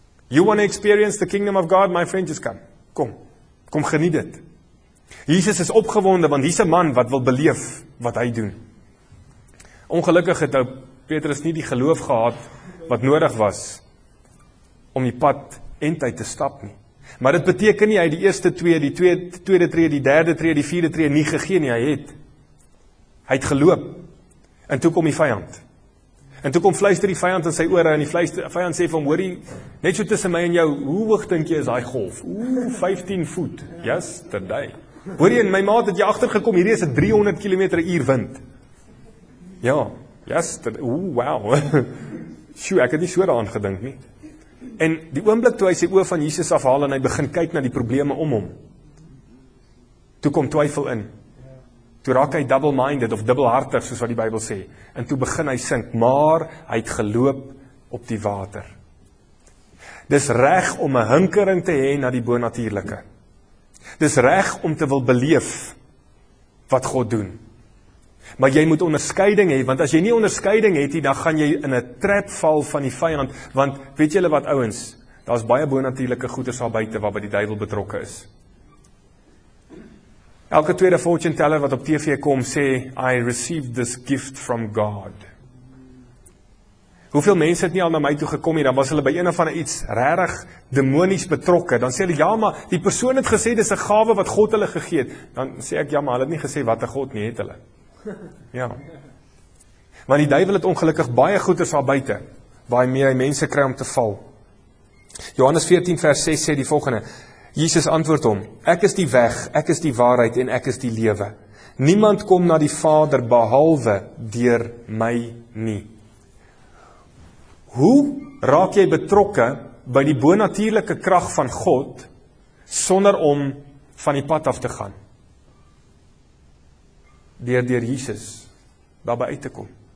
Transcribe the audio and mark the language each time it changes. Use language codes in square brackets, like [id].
[en] You want to experience the kingdom of God, my friend, just come. [af] Kom. Kom geniet dit." Jesus is opgewonde want hier's 'n man wat wil beleef wat hy doen. Ongelukkig het ou Petrus nie die geloof gehad wat nodig was om die pad entheid te stap nie. Maar dit beteken nie hy het die eerste twee, die tweede tree, die derde tree, die vierde tree nie gegee nie. Hy het geloop. En toe kom die vyand. En toe kom fluister die vyand in sy ore en die vyand sê vir hom: "Hoorie, net so tussen my en jou, hoe hoog dink jy is daai golf?" "Ooh, 15 voet." "Yesterday." "Hoorie, my maat, het jy agtergekom, hierdie is 'n 300 km/h wind." "Ja." "Yesterday." "Ooh, wow." "Sjoe, ek het nie so daaraan gedink nie." En die oomblik toe hy sy oë van Jesus afhaal en hy begin kyk na die probleme om hom, toe kom twyfel in. Toe raak hy double-minded of dubbelhartig, soos wat die Bybel sê. En toe begin hy sink, maar hy het geloop op die water. Dis reg om 'n hinkering te hê na die bonatuurlike. Dis reg om te wil beleef wat God doen. Maar jy moet onderskeiding hê, want as jy nie onderskeiding het nie, dan gaan jy in 'n trap val van die vyand. Want weet julle wat, ouens, daar's baie bonatuurlike goeders daar buite waarby die duiwel betrokke is. Elke tweede fortune teller wat op TV kom sê, [en] "I received this gift from God." [af] Hoeveel mense het nie al na my toe gekom nie, dan was hulle by een of ander iets regtig demonies betrokke. Dan sê hulle: "Ja, maar die persoon het gesê dis 'n gawe wat God hulle gegee het." Dan sê ek: "Ja, maar hulle het nie gesê watter God nie, het hulle." Ja. Want die duiwel het ongelukkig baie goeders daar buite waarmee hy mense kry om te val. Johannes 14 vers 6 sê die volgende. Jesus antwoord hom: "Ek is die weg, ek is die waarheid en ek is die lewe. Niemand kom na die Vader behalwe deur my nie." Hoe raak jy betrokke by die bonatuurlike krag van God sonder om van die pad af te gaan? Deur Jesus daarby uit te kom.